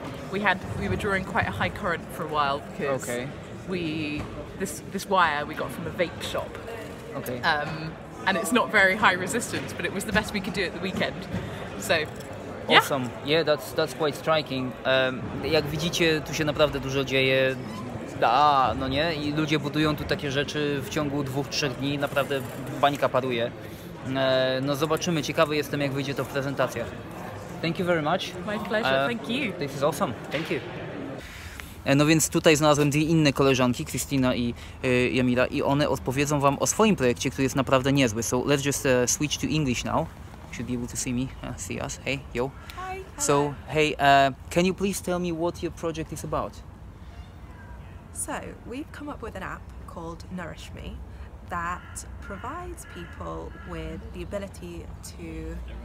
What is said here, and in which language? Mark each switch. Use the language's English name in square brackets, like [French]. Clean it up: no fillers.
[English] We were drawing quite a high current for a while because okay. this wire we got from a vape shop. Okay. And it's not very high resistance, but it was the best we could do at the weekend. So, yeah. Awesome. Yeah, that's quite striking. [Polish] Jak widzicie, tu się naprawdę dużo dzieje. No nie? I ludzie budują tu takie rzeczy w ciągu 2-3 dni. Naprawdę bańka paruje. No zobaczymy. Ciekawy jestem, jak wyjdzie to w prezentacjach. [English] Thank you very much. My pleasure. Thank you. This is awesome. Thank you. [Polish] No więc tutaj znalazłem dwie inne koleżanki, Krystyna i Jamila, i one odpowiedzą wam o swoim projekcie, który jest naprawdę niezły. [English] So let's just switch to English now. You should be able to see me, see us. Hey, yo. Hi. So, hey, can you please tell me what your project is about? So, we've come up with an app called Nourish Me that provides people with the ability to...